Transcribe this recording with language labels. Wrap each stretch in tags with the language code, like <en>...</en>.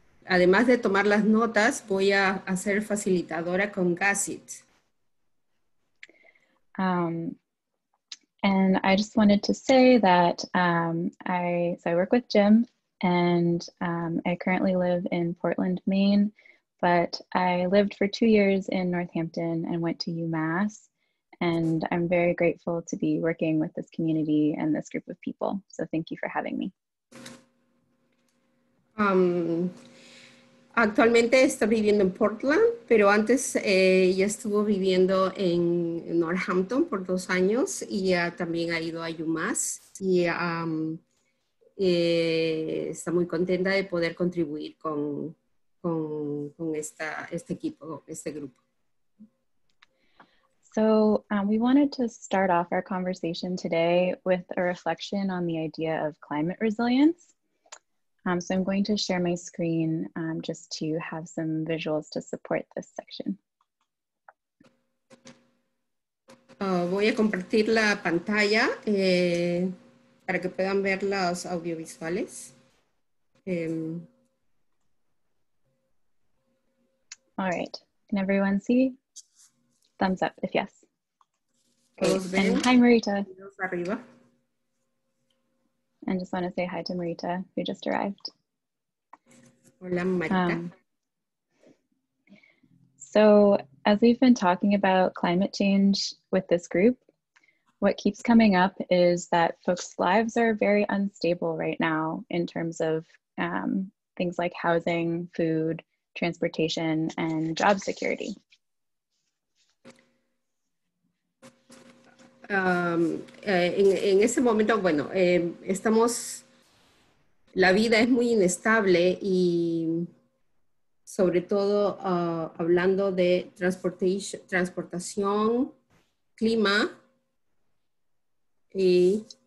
<es>Además de tomar las notas, voy a ser facilitadora con Gassit.</es> <en>And I just wanted to say that I work with Jim and I currently live in Portland, Maine, but I lived for 2 years in Northampton and went to UMass. And I'm very grateful to be working with this community and this group of people. So thank you for having me.</en> <es>Actualmente estoy viviendo en Portland, pero antes ya estuvo viviendo en Northampton por 2 años y también ha ido a UMass. Y está muy contenta de poder contribuir con este equipo, este grupo.</es> <en>So we wanted to start off our conversation today with a reflection on the idea of climate resilience. So I'm going to share my screen just to have some visuals to support this section.</en> <es>Voy a compartir la pantalla para que puedan ver los audiovisuales.</es> <en>All right, can everyone see? Thumbs up if yes.</en> <es>Ven.</es> <en>Hi, Marita. And just want to say hi to Marita, who just arrived.</en> <es>Hola, Marita.</es> <en>So as we've been talking about climate change with this group, what keeps coming up is that folks' lives are very unstable right now in terms of things like housing, food, transportation, and job security.</en> <es>En ese momento, bueno, estamos, la vida es muy inestable y sobre todo hablando de transportación, clima y</es>